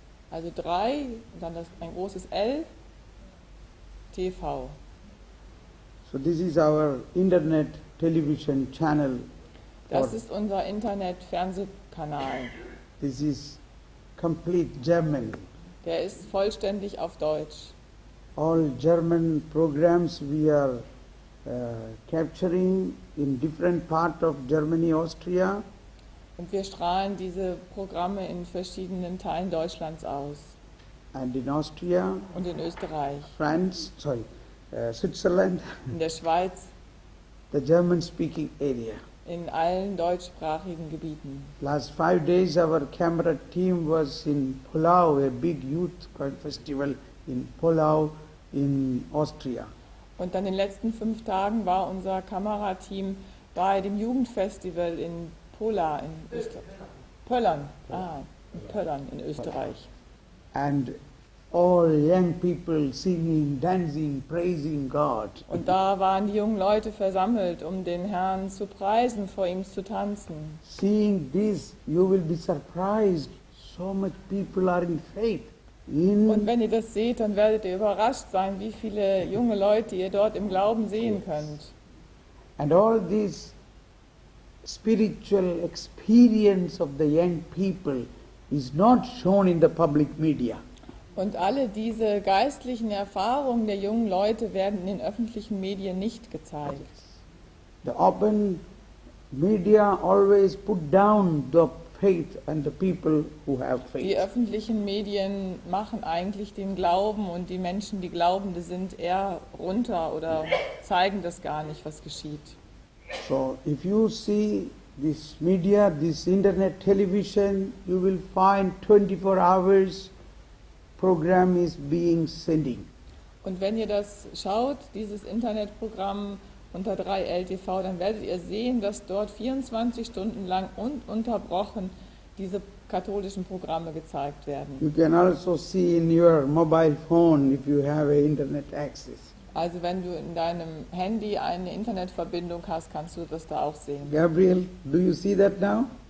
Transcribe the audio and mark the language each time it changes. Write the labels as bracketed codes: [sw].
[de] Also 3 und dann das ein großes L TV. [en] So this is our internet television channel. [de] Das ist unser Internet Fernsehkanal. [en] This is complete German. [de] Der ist vollständig auf Deutsch. [en] All German programs we are capturing in different part of Germany, Austria. [de] Und wir strahlen diese Programme in verschiedenen Teilen Deutschlands aus. [en] And in Austria. [de] Und in Österreich. [en] France, sorry, Switzerland. [de] In der Schweiz. [en] The German-speaking area. [de] In allen deutschsprachigen Gebieten. [en] Last 5 days our camera team was in Pulau, a big youth festival in Pulau in Austria. [de] Und dann in den letzten 5 Tagen war unser Kamerateam bei dem Jugendfestival in Pola in Österreich. Pöllern in Österreich. [en] And all young people singing, dancing, praising God. [de] Und da waren die jungen Leute versammelt, um den Herrn zu preisen, vor ihm zu tanzen. [en] Seeing this, you will be surprised. So much people are in faith. In [de] Und wenn ihr das seht, dann werdet ihr überrascht sein, wie viele junge Leute ihr dort im Glauben sehen könnt. [en] And all these spiritual experience of the young people is not shown in the public media. [de] Und alle diese geistlichen Erfahrungen der jungen Leute werden in den öffentlichen Medien nicht gezeigt. [en] The open media always put down the faith and the people who have faith. [de] Die öffentlichen Medien machen eigentlich den Glauben und die Menschen, die Glaubende sind, eher runter oder zeigen das gar nicht, was geschieht. [en] So, if you see this media, this internet television, you will find 24 hours program is being sending. [de] Und wenn ihr das schaut, dieses Internetprogramm unter 3LTV, dann werdet ihr sehen, dass dort 24 Stunden lang ununterbrochen diese katholischen Programme gezeigt werden. [en] You can also see in your mobile phone if you have a internet access. [de] Also wenn du in deinem Handy eine Internetverbindung hast, kannst du das da auch sehen. [en] Gabriel, do you see that now?